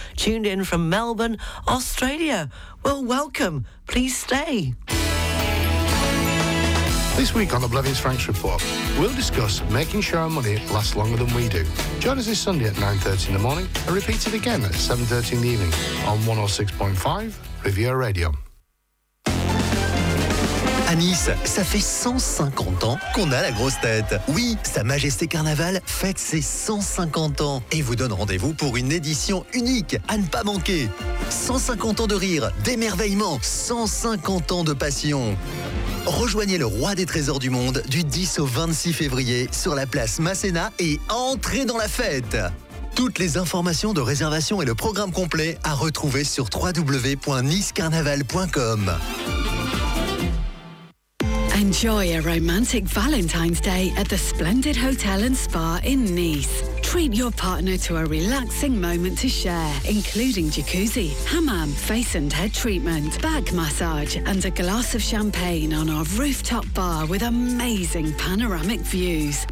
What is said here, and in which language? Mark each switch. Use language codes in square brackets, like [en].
[en] Tuned in from Melbourne, Australia. Well, welcome. Please stay. This week on the Blevins Franks Report, we'll discuss making sure our money lasts longer than we do. Join us this Sunday at 9:30 in the morning and repeat it again at 7:30 in the evening on 106.5 Riviera Radio. [fr] À Nice, ça fait 150 ans qu'on a la grosse tête. Oui, Sa Majesté Carnaval fête ses 150 ans et vous donne rendez-vous pour une édition unique à ne pas manquer. 150 ans de rire, d'émerveillement, 150 ans de passion. Rejoignez le roi des trésors du monde du 10 au 26 février sur la place Masséna et entrez dans la fête. Toutes les informations de réservation et le programme complet à retrouver sur www.nicecarnaval.com. [en] Enjoy a romantic Valentine's Day at the Splendid Hotel and Spa in Nice. Treat your partner to a relaxing moment to share, including jacuzzi, hammam, face and head treatment, back massage, and a glass of champagne on our rooftop bar with amazing panoramic views.